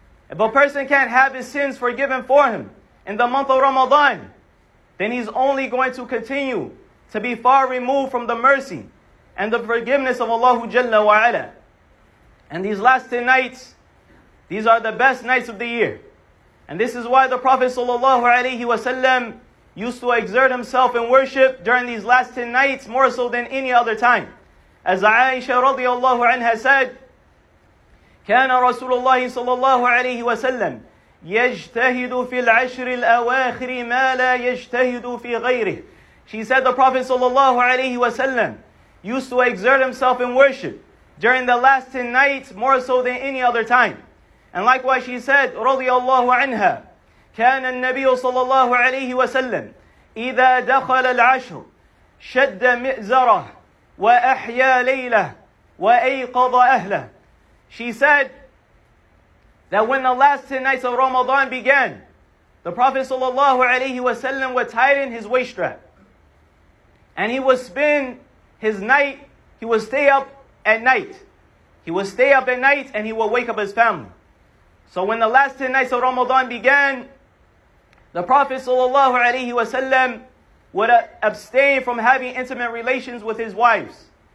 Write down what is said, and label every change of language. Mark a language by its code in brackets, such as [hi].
[en] If a person can't have his sins forgiven for him in the month of Ramadan, then he's only going to continue to be far removed from the mercy and the forgiveness of Allah Jalla wa Ala. And these last 10 nights, these are the best nights of the year. And this is why the Prophet sallallahu alaihi wasallam used to exert himself in worship during these last 10 nights more so than any other time. As Aisha radiallahu anha said, [ar] كان رسول الله صلى الله عليه وسلم يجتهد في العشر الأواخر ما لا يجتهد في غيره. [en] She said the Prophet صلى الله عليه وسلم used to exert himself in worship during the last 10 nights more so than any other time. And likewise she said, [ar] رضي الله عنها كان النبي صلى الله عليه وسلم إذا دخل العشر شد مئزره وأحيا ليله وأيقظ أهله. [en] She said that when the last 10 nights of Ramadan began, the Prophet sallallahu alaihi wasallam would tighten his waist strap. And he would spend his night, he would stay up at night. He would stay up at night and he would wake up his family. So when the last 10 nights of Ramadan began, the Prophet sallallahu alaihi wasallam would abstain from having intimate relations with his wives.